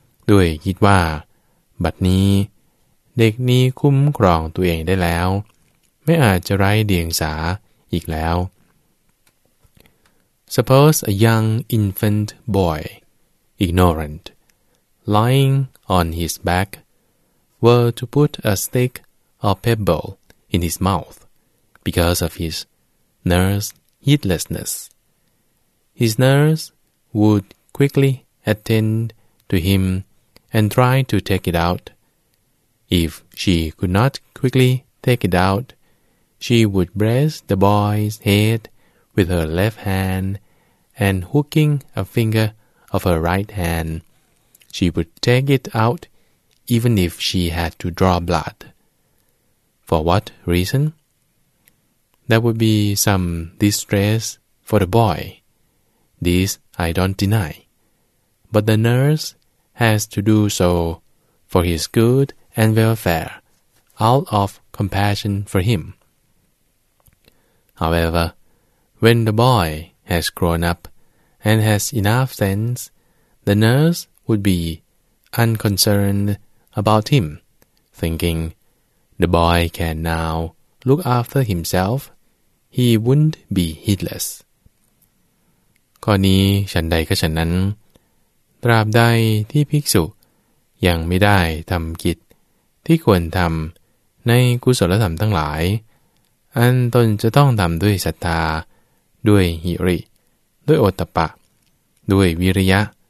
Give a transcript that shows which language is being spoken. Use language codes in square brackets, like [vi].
[th] ด้วยคิดว่าบัดนี้เด็กนี้คุ้มครองตัวเองได้แล้วไม่อาจจะไร้เดียงสาอีกแล้ว [en] Suppose a young infant boy, ignorant, lying on his backWere to put a stick or pebble in his mouth because of his nurse's heedlessness. His nurse would quickly attend to him and try to take it out. If she could not quickly take it out, she would brace the boy's head with her left hand and hooking a finger of her right hand, she would take it outEven if she had to draw blood. For what reason? That would be some distress for the boy. This I don't deny. But the nurse has to do so for his good and welfare, out of compassion for him. However, when the boy has grown up and has enough sense, the nurse would be unconcernedabout him, thinking, the boy can now look after himself, he wouldn't be heedless. [th] ข้อนี้ฉันใดก็ฉันนั้นตราบใดที่ภิกษุยังไม่ได้ทำกิจที่ควรทำในกุศลธรรมทั้งหลายอันตนจะต้องทำด้วยศรัทธาด้วยหิริด้วยโอตตัปปะด้วยวิริยะ